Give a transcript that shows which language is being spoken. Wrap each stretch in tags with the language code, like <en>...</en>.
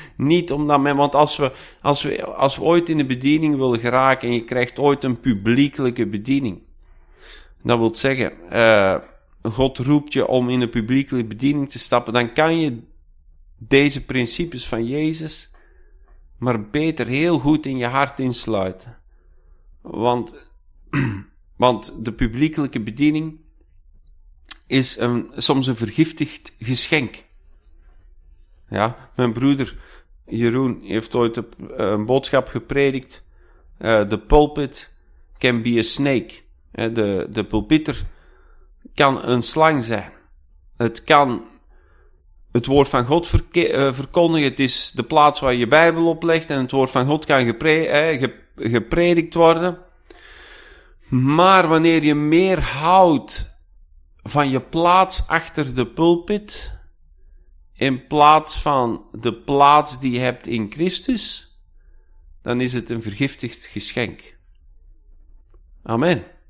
<nl>Niet omdat men, want als we ooit in de bediening willen geraken en je krijgt ooit een publiekelijke bediening, dat wil zeggen, God roept je om in een publiekelijke bediening te stappen, dan kan je deze principes van Jezus maar beter heel goed in je hart insluiten. Want de publiekelijke bediening is soms een vergiftigd geschenk. Ja, mijn broeder Jeroen heeft ooit een boodschap gepredikt.</nl> <en>The pulpit can be a snake.</en> <nl>De pulpiter kan een slang zijn. Het kan het woord van God verkondigen. Het is de plaats waar je Bijbel op legt en het woord van God kan gepredikt worden. Maar wanneer je meer houdt van je plaats achter de pulpit, in plaats van de plaats die je hebt in Christus, dan is het een vergiftigd geschenk. Amen.</nl>